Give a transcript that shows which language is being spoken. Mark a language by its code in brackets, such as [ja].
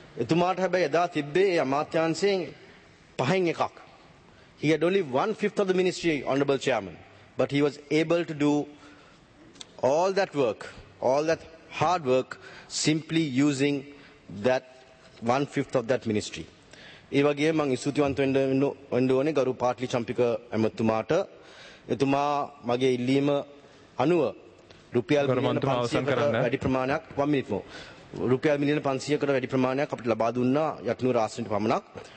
[si] එතුමාට හැබැයි එදා තිබ්බේ ඒ අමාත්‍යාංශයෙන් 5න් එකක්. [en] He had only 1/5 of the ministry, Honorable Chairman, but he was able to do all that work, all that hard work, simply using that 1/5 of that ministry. [si] ඒ වගේම මම ස්තුතිවන්ත වෙන්න ඕනේ ගරු පාට්ලි චම්පික ඇමතුමාට. එතුමා මගේ ඉල්ලීම 90 රුපියල් මිලියන 500කට වැඩි ප්‍රමාණයක් රුපියල් මිලියන 500කට වැඩි ප්‍රමාණයක් අපිට ලබා දුන්නා යටිනුවර ආසනයට පමණක්.